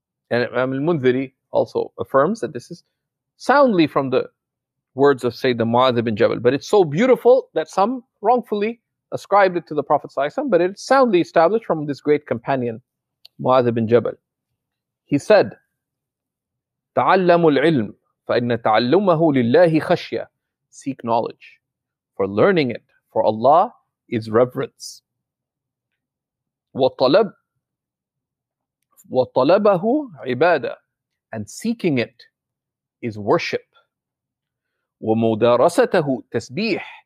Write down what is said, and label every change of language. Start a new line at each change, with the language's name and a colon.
English: And Imam al-Mundhiri also affirms that this is soundly from the words of Sayyidina Mu'adh ibn Jabal. But it's so beautiful that some wrongfully ascribed it to the Prophet sallallahu alaihi wasallam, but it's soundly established from this great companion, Mu'adh ibn Jabal. He said,
Arabic: تَعَلَّمُ الْعِلْمُ فَإِنَّ تَعَلُّمَهُ لِلَّهِ خَشْيَةً.
English: Seek knowledge, for learning it for Allah is reverence.
Arabic: وَطَلَبَهُ عِبَادَةً.
English: And seeking it is worship.
Arabic: وَمُدَارَسَتَهُ تَسْبِيحٌ.